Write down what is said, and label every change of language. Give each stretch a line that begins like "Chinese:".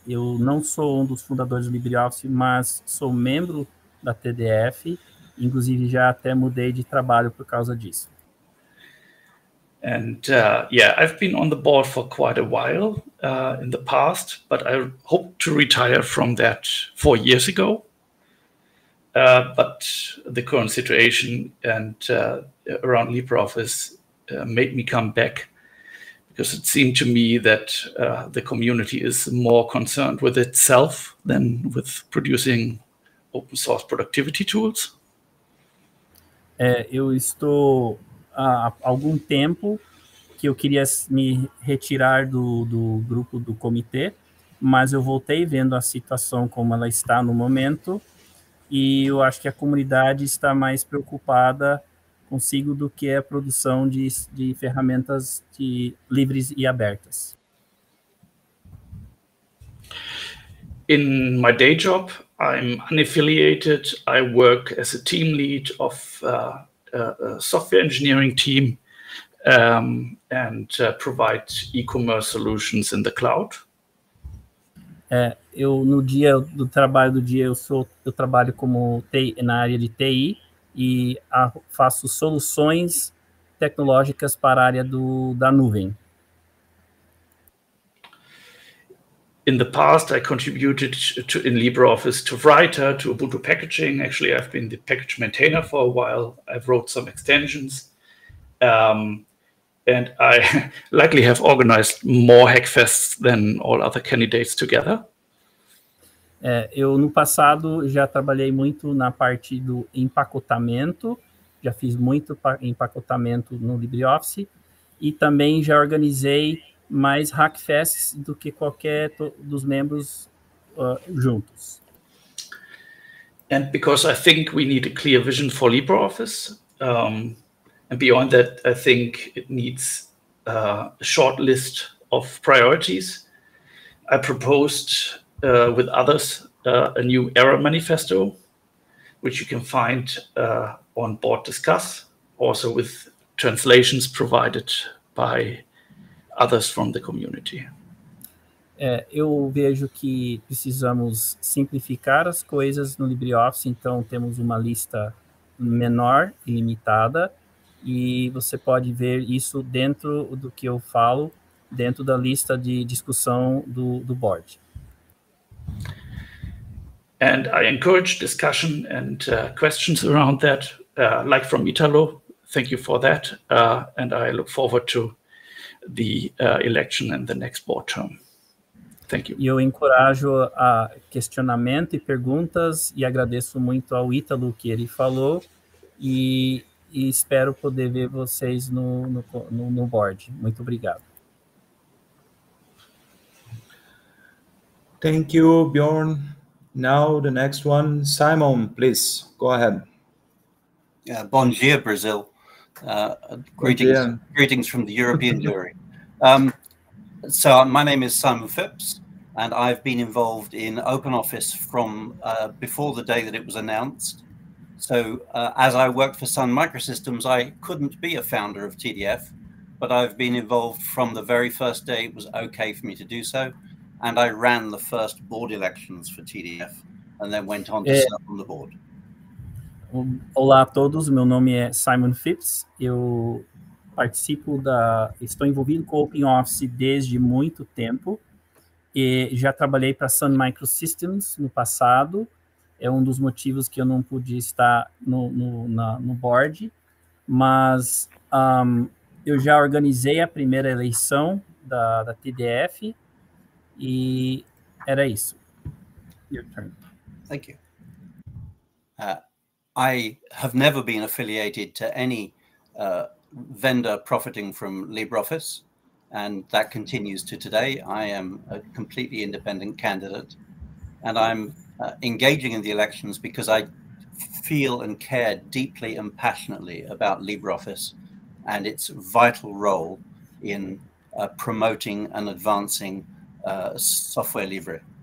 Portuguese: Eu não sou um dos fundadores do LibreOffice, mas sou membro da TDF. Inclusive, já até mudei de trabalho por causa disso.
English: And I've been on the board for quite a while in the past, but I hope to retire from that 4 years ago. But the current situation and around LibreOffice made me come back because it seemed to me that the community is more concerned with itself than with producing open source productivity tools.
Portuguese: Eu estou há algum tempo que eu queria me retirar do grupo do comitê, mas eu voltei vendo a situação como ela está no momento, e eu acho que a comunidade está mais preocupada consigo do que a produção de ferramentas de livres e abertas.
English: In my day job, I'm unaffiliated. I work as a team lead of a software engineering team and provide e-commerce solutions in the cloud.
Portuguese: Eu no dia do trabalho do dia eu trabalho como TI na área de TI e faço soluções tecnológicas para a área da nuvem.
English: In the past, I contributed in LibreOffice to Writer, to Ubuntu packaging. Actually, I've been the package maintainer for a while. I've wrote some extensions. And I likely have organized more hackfests than all other candidates together.
Portuguese: Eu, no passado, já trabalhei muito na parte do empacotamento. Já fiz muito empacotamento no LibreOffice. E também já organizei mais hackfests do que qualquer dos membros juntos.
English: And because I think we need a clear vision for LibreOffice, and beyond that, I think it needs a short list of priorities. I proposed with others a new error manifesto, which you can find on Board Discuss, also with translations provided by others from the community.
Portuguese: Eu vejo que precisamos simplificar as coisas no LibreOffice, então temos uma lista menor e limitada, e você pode ver isso dentro do que eu falo, dentro da lista de discussão do board.
English: And I encourage discussion and questions around that, like from Italo. Thank you for that. And I look forward to the election and the next board term. Thank you.
Portuguese: E eu encorajo a questionamento e perguntas e agradeço muito ao Ítalo que ele falou e espero poder ver vocês no board. Muito obrigado.
English: Thank you, Bjorn. Now the next one, Simon, please go ahead.
Portuguese: Bom dia,
English: Brazil. Greetings,
Portuguese: bom dia.
English: Greetings from the European jury. So my name is Simon Phipps, and I've been involved in OpenOffice from before the day that it was announced. So as I worked for Sun Microsystems, I couldn't be a founder of TDF, but I've been involved from the very first day it was okay for me to do so. And I ran the first board elections for TDF and then went on to serve on the board.
Portuguese: Olá a todos, meu nome é Simon Phipps. Eu participo estou envolvido com OpenOffice desde muito tempo e já trabalhei para Sun Microsystems no passado. É um dos motivos que eu não pude estar no board, mas eu já organizei a primeira eleição da TDF e era isso.
English: Your turn. Thank you. I have never been affiliated to any vendor profiting from LibreOffice, and that continues to today. I am a completely independent candidate, and I'm engaging in the elections because I feel and care deeply and passionately about LibreOffice and its vital role in promoting and advancing software libre.